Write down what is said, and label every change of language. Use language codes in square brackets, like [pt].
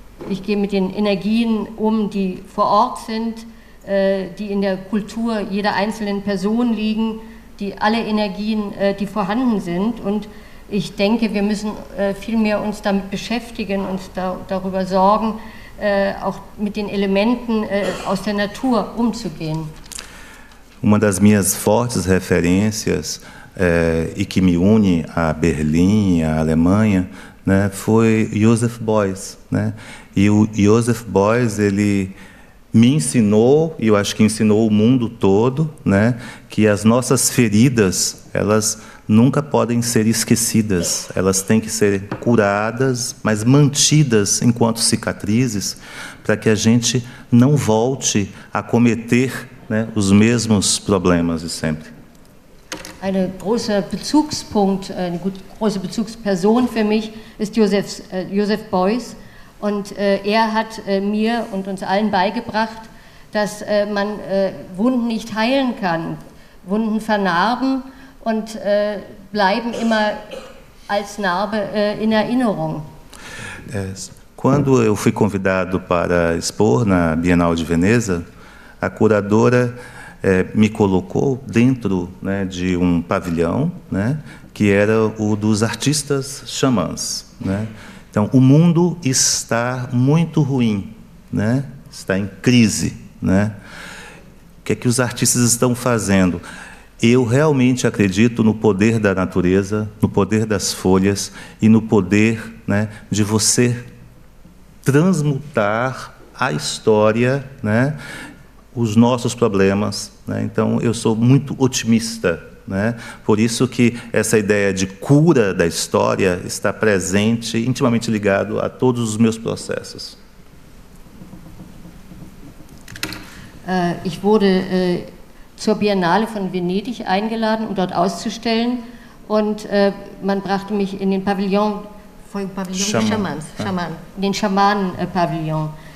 [de] Ich gehe mit den Energien um, die vor Ort sind, die in der Kultur jeder einzelnen Person liegen, die alle Energien, die vorhanden sind. Und ich denke, wir müssen vielmehr uns damit beschäftigen und darüber sorgen, auch mit den Elementen aus der Natur umzugehen. [pt] Uma das minhas fortes referências e que me une a Berlim, a Alemanha, né, foi Joseph Beuys, né? E o Joseph Beuys, ele me ensinou, e eu acho que ensinou o mundo todo, né, que as nossas feridas, elas nunca podem ser esquecidas, elas têm que ser curadas, mas mantidas enquanto cicatrizes, para que a gente não volte a cometer, né, os mesmos problemas de sempre. [de] Eine große Bezugspunkt, eine große Bezugsperson für mich ist Joseph Beuys. Und er hat mir und uns allen beigebracht, dass man Wunden nicht heilen kann. Wunden vernarben und bleiben immer als Narbe in Erinnerung. [pt] Quando eu fui convidado para expor na Bienal de Veneza, a curadora me colocou dentro, né, de um pavilhão, né, que era o dos artistas xamãs. Né? Então, o mundo está muito ruim, né? Está em crise. Né? O que é que os artistas estão fazendo? Eu realmente acredito no poder da natureza, no poder das folhas e no poder, né, de você transmutar a história, né, os nossos problemas, né? Então eu sou muito otimista, né? Por isso que essa ideia de cura da história está presente, intimamente ligado a todos os meus processos. [de] Ich wurde zur Biennale von Venedig eingeladen, um dort auszustellen, und man brachte mich in den Pavillon, [pt] foi o Pavilhão dos Xamãs, Xamãs, [de] den Schamanen Pavillon,